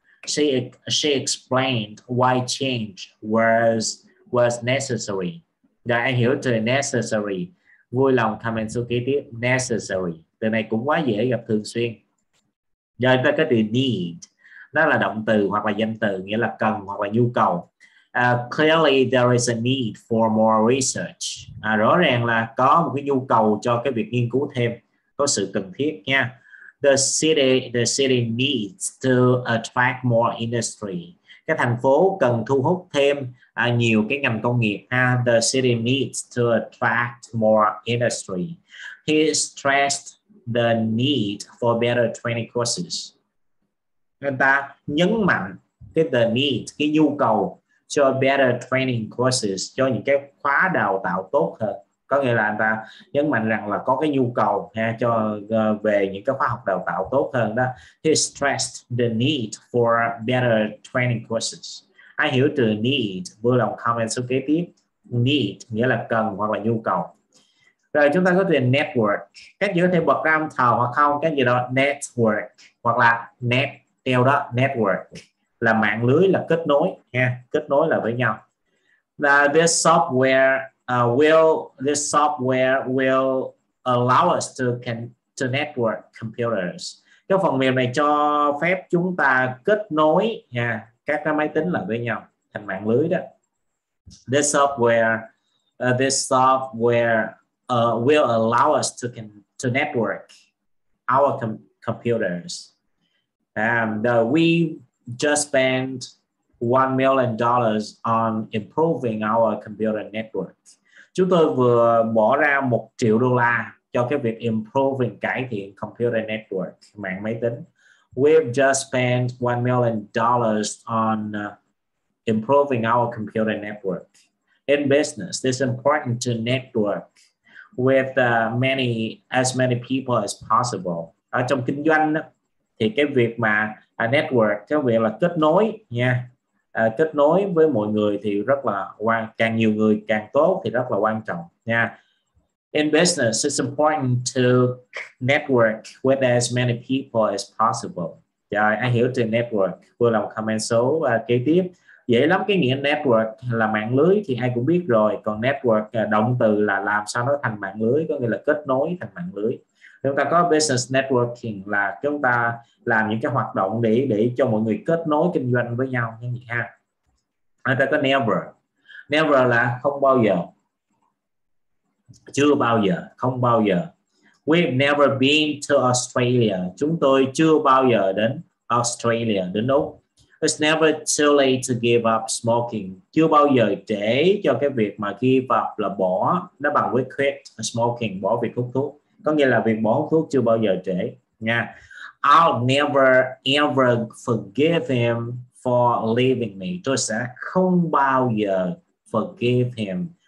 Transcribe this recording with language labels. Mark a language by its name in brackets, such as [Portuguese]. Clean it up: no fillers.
[English] She explained why change was necessary. [Vietnamese] Đã anh hiểu từ necessary, vui lòng comment số kế tiếp. Necessary, từ này cũng quá dễ gặp thường xuyên. Giờ chúng ta có từ need, đó là động từ hoặc là danh từ, nghĩa là cần hoặc là nhu cầu. [English] Clearly there is a need for more research. [Vietnamese] Rõ ràng là có một cái nhu cầu cho cái việc nghiên cứu thêm, có sự cần thiết nha. [English] The city needs to attract more industry. [Vietnamese] Cái thành phố cần thu hút thêm nhiều cái ngành công nghiệp ha. [English] The city needs to attract more industry. He stressed the need for better training courses. [Vietnamese] Người ta nhấn mạnh cái the need, cái nhu cầu cho [English] better training courses, [Vietnamese] cho những cái khóa đào tạo tốt hơn. Có nghĩa là anh ta nhấn mạnh rằng là có cái nhu cầu ha, cho về những cái khóa học đào tạo tốt hơn đó. He stressed the need for better training courses. Ai hiểu từ need, vui lòng comment số kế tiếp. Need nghĩa là cần hoặc là nhu cầu. Rồi chúng ta có từ network. Các chữ có thể bật ra âm thờ hoặc không, cái gì đó, network hoặc là net, theo đó, network là mạng lưới, là kết nối ha, kết nối là với nhau. [English] Now, this software will allow us to to network computers. [Vietnamese] Cái phần mềm này cho phép chúng ta kết nối nha các máy tính lại với nhau thành mạng lưới đó. [English] This software will allow us to to network our computers. We just spent $1 million on improving our computer network. [Vietnamese] Chúng tôi vừa bỏ ra $1 triệu cho cái việc improving, cải thiện computer network, mạng máy tính. [English] We've just spent $1 million on improving our computer network. In business, it's important to network with as many people as possible. [Vietnamese] Ở trong kinh doanh thì cái việc mà network, cái việc là kết nối nha, kết nối với mọi người thì rất là quan, càng nhiều người càng tốt thì rất là quan trọng nha. [English] In business, it's important to network with as many people as possible. [Vietnamese] Rồi, anh hiểu từ network. Vừa là một comment số kế tiếp. Dễ lắm, cái nghĩa network là mạng lưới thì ai cũng biết rồi. Còn network, động từ là làm sao nó thành mạng lưới, có nghĩa là kết nối thành mạng lưới. Chúng ta có business networking là chúng ta làm những cái hoạt động để cho mọi người kết nối kinh doanh với nhau. Chúng ta có never. Never là không bao giờ. Chưa bao giờ, không bao giờ. [English] We've never been to Australia. [Vietnamese] Chúng tôi chưa bao giờ đến Australia, đến Úc. It's never too late to give up smoking. Chưa bao giờ trễ cho cái việc mà give up là bỏ, nó bằng với [English] quit smoking, [Vietnamese] bỏ việc hút thuốc. Có nghĩa là việc bỏ hút thuốc chưa bao giờ trễ nha. [English] I'll never ever forgive him for leaving me. [Vietnamese] Tôi sẽ không bao giờ [English] forgive him.